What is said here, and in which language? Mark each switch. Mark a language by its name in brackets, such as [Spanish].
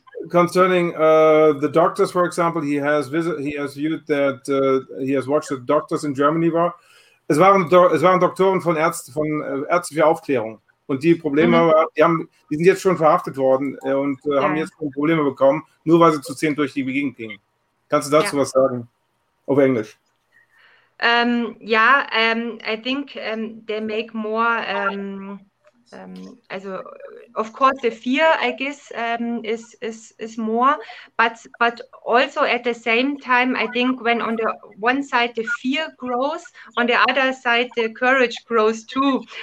[English] Concerning the doctors, for example, he has watched the doctors in Germany. [German] Es waren Doktoren von Ärzte für Aufklärung. Und die Probleme, die sind jetzt schon verhaftet worden und haben jetzt schon Probleme bekommen, nur weil sie zu 10 durch die Gegend gingen. Kannst du dazu was sagen? Auf Englisch. [English] I think they make more, also of course the fear, I guess, is more, but also at the same time, I think when on the one side the fear grows, on the other side the courage grows too.